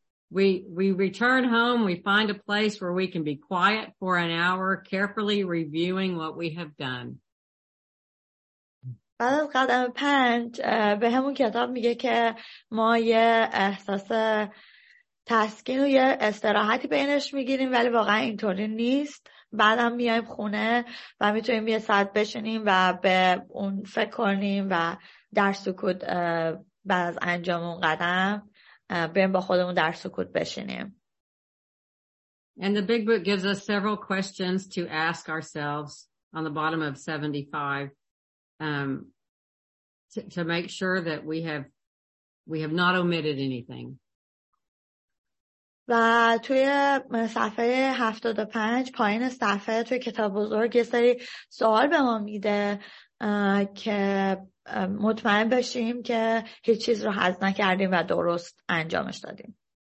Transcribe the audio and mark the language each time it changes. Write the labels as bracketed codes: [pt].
[en] we return home, we find a place where we can be quiet for an hour, carefully reviewing what we have done. [fa] بعد از قدم پنج به همون کتاب میگه که ما یه احساس تسکین و یه استراحتی بینش میگیریم، ولی واقعا اینطوری نیست. بعدم میایم خونه و میتونیم یه ساعت بشینیم و به اون فکر کنیم و در سکوت بعد از انجام اون قدم بریم با خودمون در سکوت بشینیم. [en] And the big book gives us several questions to ask ourselves on the bottom of 75. To make sure that we have not omitted anything. [fa] و توی صفحه 75 پایین صفحه توی کتاب بزرگ یه سری سوال به ما میده که مطمئن بشیم که هیچ چیز رو حذف نکردیم و درست انجامش دادیم.